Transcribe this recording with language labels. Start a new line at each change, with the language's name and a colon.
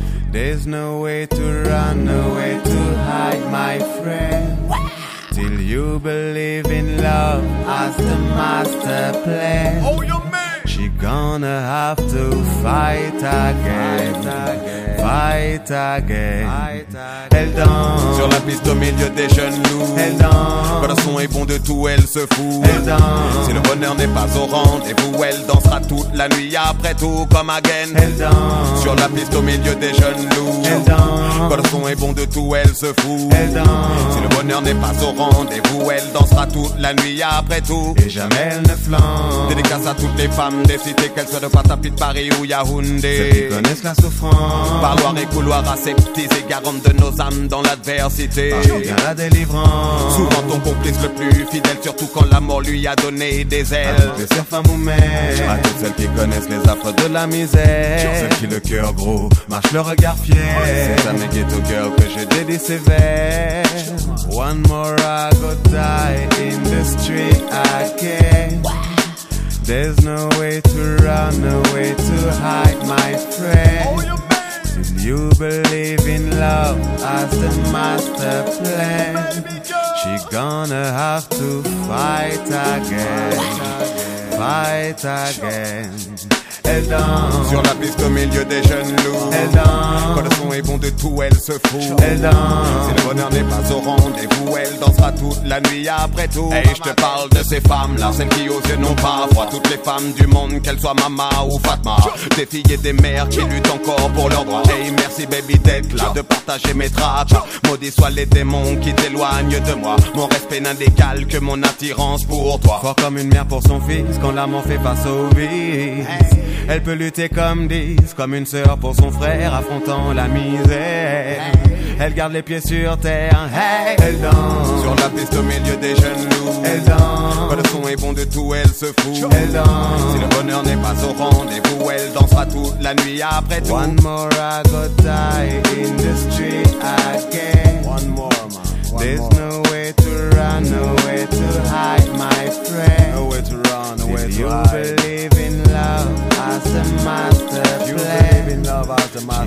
English: There's no way to run, no way to hide, my friend. Till you believe in love as the master plan. Oh, your man. She gonna have to fight again. Fight again. Fight again. Fight again.
French: Elle danse sur la piste au milieu des jeunes loups. Elle danse. Quand le son est bon de tout, elle se fout. Elle danse. Si le bonheur n'est pas au rendez-vous, elle dansera toute la nuit après tout comme again. Elle danse sur la piste au milieu des jeunes loups. Elle danse. Quand le son est bon de tout, elle se fout. Elle danse. Si le bonheur n'est pas au rendez-vous, elle dansera toute la nuit après tout. Et jamais elle ne flanche. Dédicace à toutes les femmes des cités, qu'elles soient de Patapi, de Paris ou Yaoundé. Ceux qui connaissent la souffrance. Parloir et couloir aseptisés, garantes de nos âmes dans l'adversité. Parfois bien la délivrance. Souvent ton complice le plus fidèle, surtout quand la mort lui a donné des ailes. Des sœurs, femmes ou mères. À toutes celles qui connaissent les affres de la misère. Sur ceux qui le cœur gros marche le regard fier. C'est à mes guettes au cœur que j'ai dédié ces vers.
English: One more I go die in the street again. There's no way to run, no way to hide, my friend. You believe in love as the master plan. She gonna have to fight again. Fight again.
French: Elle danse sur la piste au milieu des jeunes loups. Elle danse. Quand le son est bon de tout, elle se fout. Elle danse. Si le bonheur n'est pas au rendez-vous, elle dansera toute la nuit après tout. Et je te parle de ces femmes-là, celles qui aux yeux n'ont pas foi. Toutes les femmes du monde, qu'elles soient Mama ou Fatma. Des filles et des mères qui luttent encore pour leurs droits. Hey, merci baby d'être là, de partager mes traces. Maudits soient les démons qui t'éloignent de moi. Mon respect n'indécale que mon attirance pour toi. Fort comme une mère pour son fils, quand l'amour fait face au vice. Elle peut lutter comme 10, comme une sœur pour son frère, affrontant la misère. Elle garde les pieds sur terre, hey. Elle danse sur la piste au milieu des jeunes loups. Elle danse. Quand le son est bon de tout, elle se fout. Elle danse. Si le bonheur n'est pas au rendez-vous, elle dansera toute la nuit après tout.
English: One more I go die in the street again. One more, man. One There's more. No way to run, no way to hide, my friend. No way to run, no way If to you hide. Believe in love as the master If you believe in love as the master